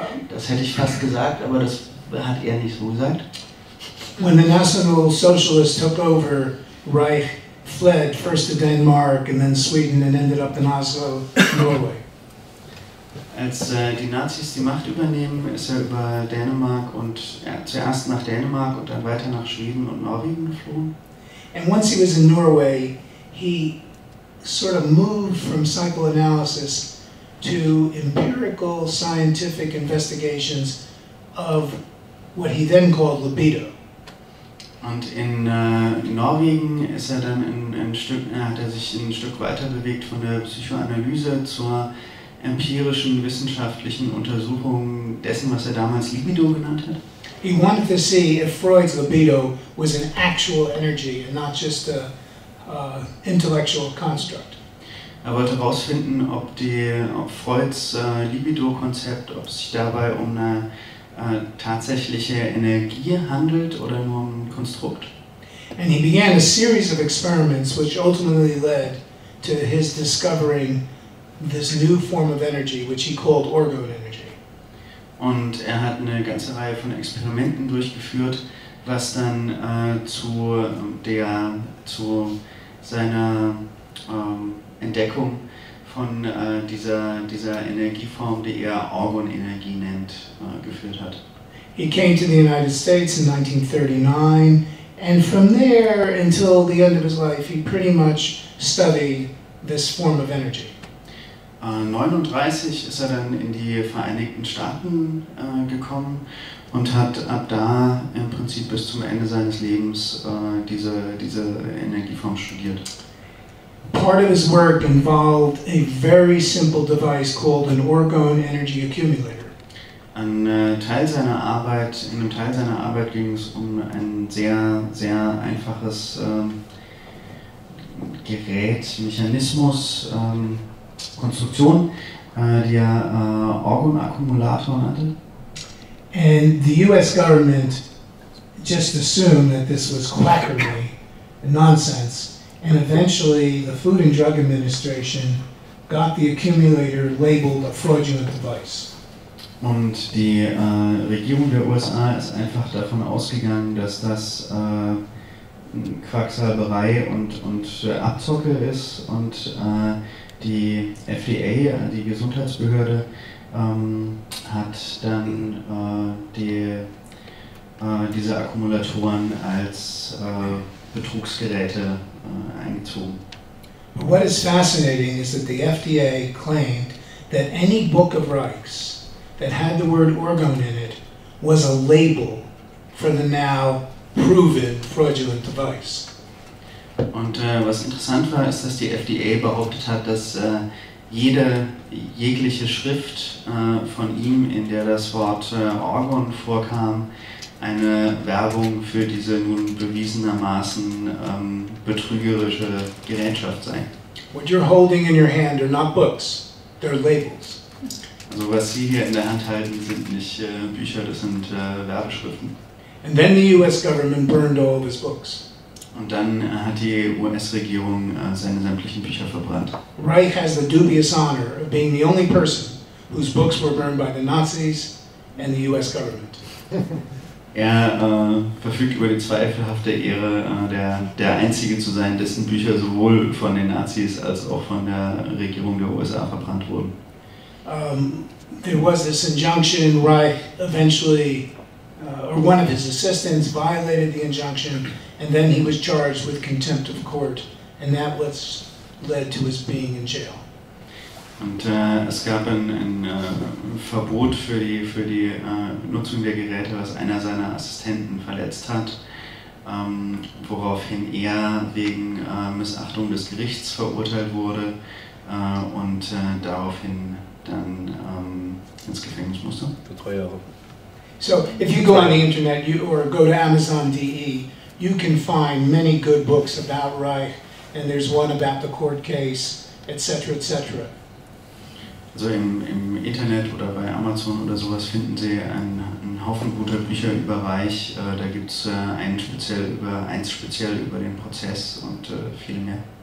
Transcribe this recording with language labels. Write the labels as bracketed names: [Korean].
[German] Das hätte ich fast gesagt, aber das hat er nicht so gesagt. [English] When the National Socialists took over, Reich fled first to Denmark and then Sweden and ended up in Oslo, Norway. [German] Als die Nazis die Macht übernehmen, ist er über Dänemark und zuerst nach Dänemark und dann weiter nach Schweden und Norwegen geflohen. [English] And once he was in Norway, he sort of moved from psychoanalysis to empirical scientific investigations of what he then called libido. [German] Und in Norwegen ist er dann hat er sich ein Stück weiter bewegt von der Psychoanalyse zur empirischen wissenschaftlichen Untersuchung dessen, was er damals Libido genannt hat. [English] He wanted to see if Freud's libido was an actual energy and not just a intellectual construct. [German] Er wollte herausfinden, ob Freud's Libido-Konzept, ob es sich dabei um eine tatsächliche Energie handelt oder nur um ein Konstrukt. [English] And he began a series of experiments which ultimately led to his discovering this new form of energy which he called orgone energy. [German] Und er hat eine ganze Reihe von Experimenten durchgeführt, was dann zu seiner Entdeckung von dieser Energieform, die er Orgon-Energie nennt, geführt hat. [English] He came to the United States in 1939 And from there until the end of his life, he pretty much studied this form of energy. [German] 1939 ist er dann in die Vereinigten Staaten gekommen und hat ab da im Prinzip bis zum Ende seines Lebens diese Energieform studiert. [English] Part of his work involved a very simple device called an orgone energy accumulator. [German] In einem Teil seiner Arbeit ging es um ein sehr, sehr einfaches Gerät, Mechanismus, Konstruktion, die er Orgon-Akkumulator nannte. [English] And the US government just assumed that this was quackery and nonsense. And eventually the Food and Drug Administration got the accumulator labeled a fraudulent device. [German] Und die Regierung der USA ist einfach davon ausgegangen, dass das Quacksalberei und Abzocke ist. Und die FDA, die Gesundheitsbehörde, hat dann diese Akkumulatoren als Betrugsgeräte eingezogen. [English] What is fascinating is that the FDA claimed that any book of Reichs that had the word orgone in it was a label for the now proven fraudulent device. [German] Und was interessant war, ist, dass die FDA behauptet hat, dass jegliche Schrift von ihm, in der das Wort Orgon vorkam, eine Werbung für diese nun bewiesenermaßen betrügerische Gerätschaft sei. [English] What you're holding in your hand are not books, they're labels. [German] Also was Sie hier in der Hand halten, sind nicht Bücher, das sind Werbeschriften. [English] And then the US government burned all his books. [German] Und dann hat die US-Regierung seine sämtlichen Bücher verbrannt. [English] Reich has the dubious honor of being the only person whose books were burned by the Nazis and the US government. [German] Er verfügt über die zweifelhafte Ehre, der Einzige zu sein, dessen Bücher sowohl von den Nazis als auch von der Regierung der USA verbrannt wurden. [English] There was this injunction, Reich eventually, or one of his assistants violated the injunction, and then he was charged with contempt of court, and that was led to his being in jail. [German] Und es gab ein Verbot für die Nutzung der Geräte, was einer seiner Assistenten verletzt hat, woraufhin er wegen Missachtung des Gerichts verurteilt wurde und daraufhin dann ins Gefängnis musste. Für 3 Jahre. [English] So, if you go on the internet or go to Amazon.de, you can find many good books about Reich, and there's one about the court case, etc., etc. [German] Also im Internet oder bei Amazon oder sowas finden Sie einen Haufen guter Bücher über Reich. Da gibt es eins speziell über den Prozess und viele mehr.